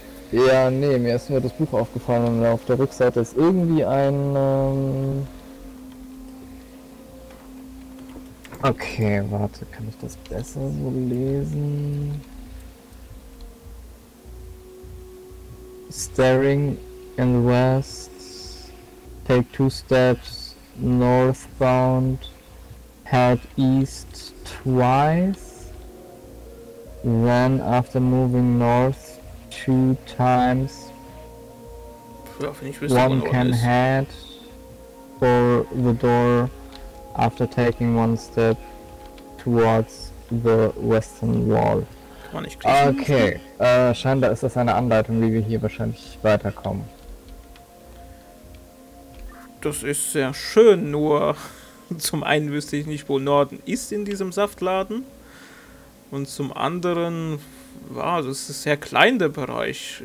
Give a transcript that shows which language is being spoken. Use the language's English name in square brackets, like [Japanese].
[German] Ja, nee, mir ist nur das Buch aufgefallen und auf der Rückseite ist irgendwie ein, okay, warte, kann ich das besser so lesen? [English] Staring in the west, take two steps northbound, head east twice, then after moving north, two times. [German] Ja, [English] one can head for the door after taking one step towards the western wall. [German] Kann man nicht klicken? Okay, scheinbar ist das eine Anleitung, wie wir hier wahrscheinlich weiterkommen. Das ist sehr schön, nur zum einen wüsste ich nicht, wo Norden ist in diesem Saftladen. Und zum anderen, wow, das ist sehr klein, der Bereich.